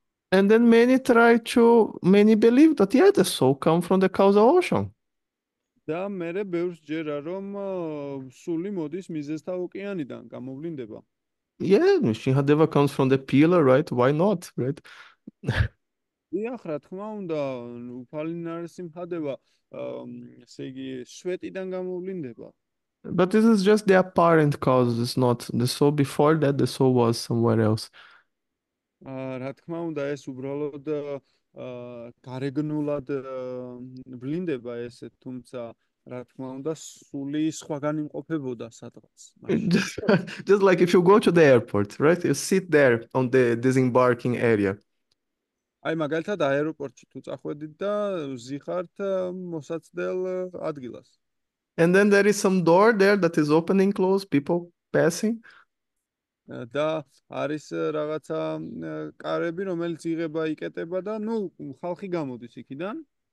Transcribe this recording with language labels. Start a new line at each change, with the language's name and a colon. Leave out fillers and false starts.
English: And then many believe that, yeah, the soul come from the causal ocean.
Georgian: და მერე ბევრს ჯერა, რომ სული მოდის მიზესთა ოკეანიდან, გამოვლინდება.
English: Yeah, Shinhadeva comes from the pillar, right? Why not, right?
Georgian: იახ, რა თქმა უნდა, უფალინარესი მჰადევა, ესე იგი, სვეტიდან გამოვლინდება.
English: But this is just the apparent cause. It's not the soul. Before that, the soul was somewhere else.
Georgian: რა თქმა უნდა, ეს უბრალოდ გარეგნულად ვლინდება ესე, თუმცა რა თქმა უნდა, სული სხვაგან იმყოფებოდა სადღაც მაშინ.
English: Just like if you go to the airport, right? You sit there on the disembarking area.
Georgian: აი, მაგალითად, აეროპორტში თუ წახვედით და ზიხართ მოსაცდელ ადგილას.
English: And then there is some door there that is opening, close, people passing.
Georgian: და არის რაღაცა კარები, რომელიც იღება, იკეტება და ნუ ხალხი გამოდის იქიდან.